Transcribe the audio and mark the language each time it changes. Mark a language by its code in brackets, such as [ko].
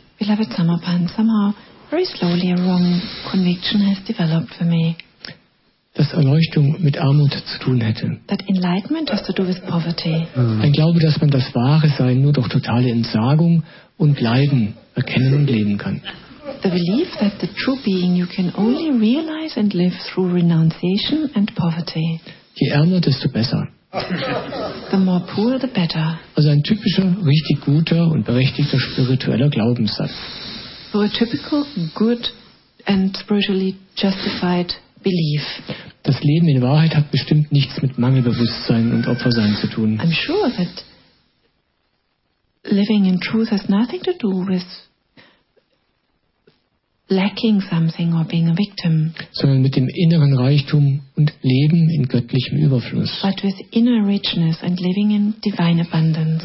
[en] Beloved Samapan, somehow very slowly a wrong conviction has developed for me. [de] Dass Erleuchtung mit Armut zu tun hätte. [en] That enlightenment has to do with poverty. [de] Ein Glaube, dass man das Wahre sein nur durch totale Entsagung und Leiden erkennen und leben kann. [en] The belief that the true being you can only realize and live through renunciation and poverty. [de] Je ärmer, desto besser. [en] The more poor, the better. [de] Also ein typischer, richtig guter und berechtigter spiritueller Glaubenssatz. [en] So a typical, good and spiritually justified belief. [de] Das Leben in Wahrheit hat bestimmt nichts mit Mangelbewusstsein und Opfersein zu tun. [en] I'm sure that living in truth has nothing to do with lacking something or being a victim. [de] Sondern mit dem inneren Reichtum und Leben in göttlichem Überfluss. [en] But with inner richness and living in divine abundance.